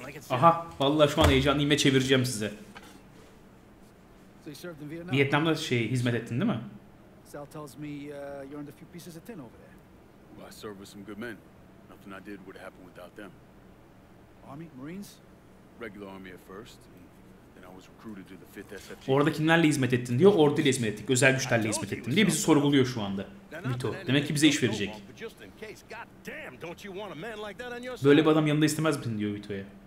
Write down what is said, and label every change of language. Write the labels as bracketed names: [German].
[Turkish] Aha, vallahi şu an heyecanlı yeme çevireceğim size. Vietnam'da şey hizmet ettin değil mi? [English] Sal tells me you earned a few pieces of tin over there. Well, I served with some good men. Nothing I did would happen without them. Army, Marines? Regular army at first, and then I was recruited to the 5th SFG. [Turkish] Orada kimlerle hizmet ettin diyor. Orduyla hizmet ettik. Özel güçlerle hizmet ettim diye bizi sorguluyor şu anda. Vito. Demek ki bize iş verecek. Böyle bir adam yanında istemez misin diyor Vito'ya.